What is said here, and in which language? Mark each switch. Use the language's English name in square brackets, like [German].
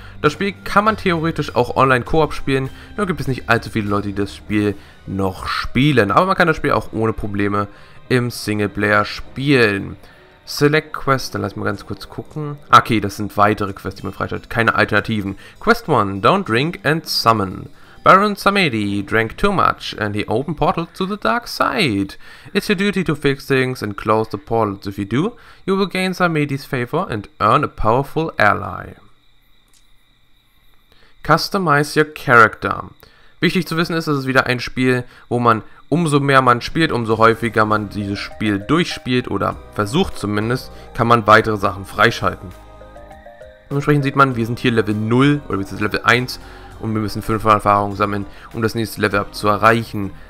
[German] Das Spiel kann man theoretisch auch online Koop spielen, nur gibt es nicht allzu viele Leute, die das Spiel noch spielen. Aber man kann das Spiel auch ohne Probleme im Singleplayer spielen. Select Quest, dann lass mal ganz kurz gucken. Okay, das sind weitere Quests, die man freischaltet, keine Alternativen. [English] Quest 1, Don't Drink and Summon. Baron Samedi drank too much and he opened portals to the dark side. It's your duty to fix things and close the portals. If you do, you will gain Samedi's favor and earn a powerful ally. Customize your character. [German] Wichtig zu wissen ist, es ist wieder ein Spiel, wo man, umso mehr man spielt, umso häufiger man dieses Spiel durchspielt oder versucht zumindest, kann man weitere Sachen freischalten. Dementsprechend sieht man, wir sind hier Level 0 oder wir sind Level 1 und wir müssen 500 Erfahrungen sammeln, um das nächste Level Up zu erreichen.